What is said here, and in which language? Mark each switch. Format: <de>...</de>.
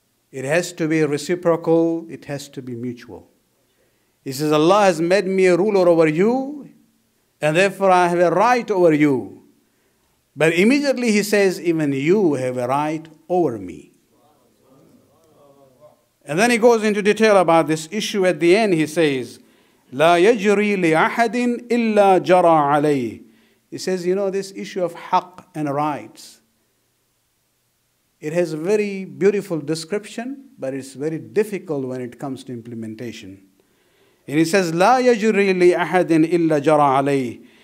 <en>It has to be reciprocal, it has to be mutual. He says, Allah has made me a ruler over you, and therefore I have a right over you. But immediately he says, even you have a right over me. And then he goes into detail about this issue.</en> <ar>At the end he says, لا يجري لأحد إلا جرى عليه.</ar> <en>He says, you know, this issue of haqq and rights, it has a very beautiful description, but it's very difficult when it comes to implementation.</en> <ar>And he says, لا يجري لأحد إلا جرى عليه.</ar>